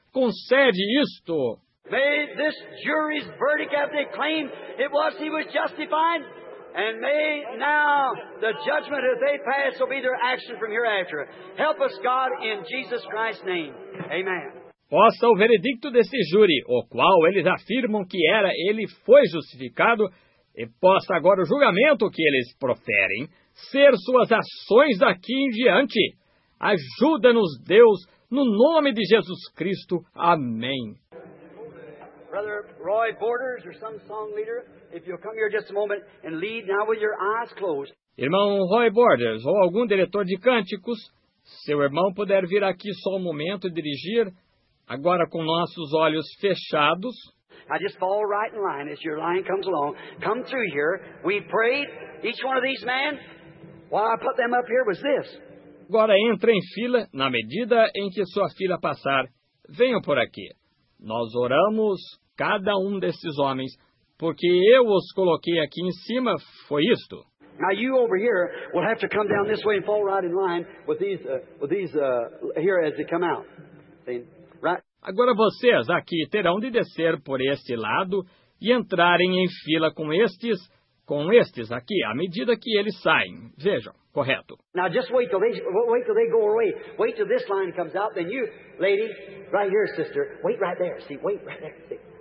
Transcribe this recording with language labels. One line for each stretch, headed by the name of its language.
Portuguese: Concede isto.
English: May this jury's verdict have they claim it was he was justified, and may now the judgment as they pass will be their action from hereafter. Help us, God, in Jesus Christ's name. Amen.
Portuguese: Possa o veredicto desse júri, o qual eles afirmam que era, ele foi justificado, e possa agora o julgamento que eles proferem ser suas ações daqui em diante. Ajuda-nos, Deus, no nome de Jesus Cristo. Amém.
English: Brother Roy Borders, or some song leader, if you'll come here just a moment and lead now with your eyes closed.
Portuguese: Irmão Roy Borders, ou algum diretor de cânticos, seu irmão puder vir aqui só um momento e dirigir, agora com nossos olhos fechados.
English: I just fall right in line as your line comes along. Come through here. We prayed, each one of these men, while I put them up here was this.
Portuguese: Agora entre em fila, na medida em que sua fila passar. Venham por aqui. Nós oramos cada desses homens, porque eu os coloquei aqui em cima, foi isto.
English: Now you over here will have to come down this way and fall right in line with these here as they come out. See?
Portuguese: Agora vocês aqui terão de descer por este lado e entrarem em fila com estes aqui, à medida que eles saem. Vejam, correto.
English: Now just wait till they go away. Wait till this line comes out, then you, lady, right here, sister, wait right there, see, wait right there, see.